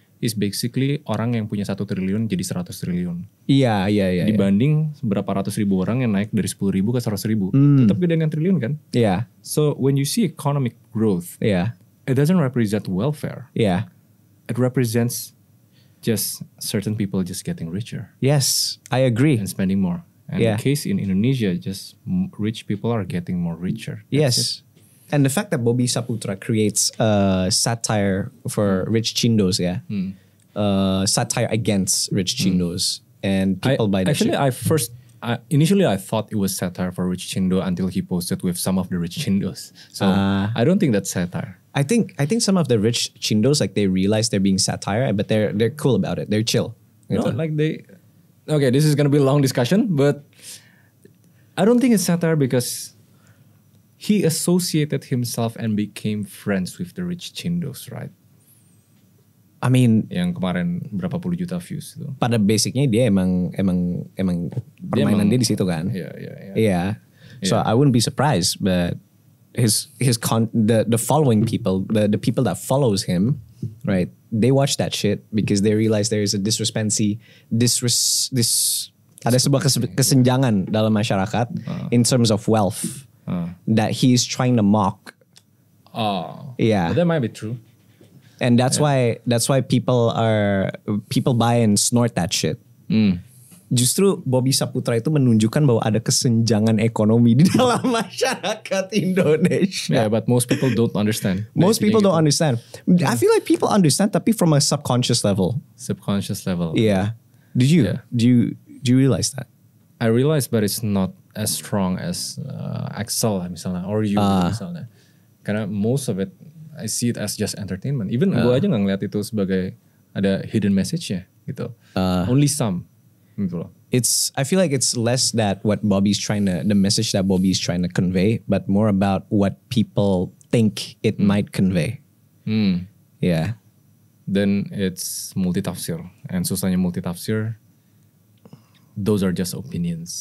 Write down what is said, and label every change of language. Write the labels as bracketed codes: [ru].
[en] Is basically [id] orang yang punya 1 triliun jadi 100 triliun. Iya. Dibanding berapa ratus ribu orang yang naik dari 10 ribu ke 100 ribu. Tetap gede dengan triliun kan? Iya. [en] Yeah. So when you see economic growth, it doesn't represent welfare. Yeah. It represents... just certain people just getting richer. Yes, I agree. And spending more. And the case in Indonesia, just rich people are getting more richer. That's yes. It. And the fact that Bobby Saputra creates a satire for rich chindos, satire against rich chindos and people buy that shit. Actually, I thought it was satire for rich chindo until he posted with some of the rich chindos. So I don't think that's satire. I think some of the rich chindos, like, they realize they're being satire, but they're cool about it. They're chill. Okay, this is going to be a long discussion, but I don't think it's satire because he associated himself and became friends with the rich chindos, right? I mean, [id] yang kemarin berapa puluh juta views itu. Pada basicnya dia emang permainan dia di situ kan? [en] Yeah. So I wouldn't be surprised, but the people that follows him, right? They watch that shit because they realize there is a [id] ada sebuah kesenjangan dalam masyarakat [en] in terms of wealth that he is trying to mock. But that might be true. And that's why people buy and snort that shit. [id] Justru Bobby Saputra itu menunjukkan bahwa ada kesenjangan ekonomi di dalam masyarakat Indonesia. [en] Yeah, but most people don't understand. I feel like people understand, [id] tapi [en] from a subconscious level. Subconscious level. Yeah. Do you realize that? I realize, but it's not as strong as Excel [id] misalnya, [en] or you misalnya. [id] Karena [en] most of it, I see it as just entertainment. [id] Even gue aja gak ngeliat itu sebagai ada [en] hidden message-nya [id] gitu. [en] Only some. I feel like it's less that what Bobby's trying to, the message that Bobby's trying to convey, but more about what people think it might convey. Yeah. Then it's multi-tafsir. And [id] susahnya [en] multi-tafsir, those are just opinions.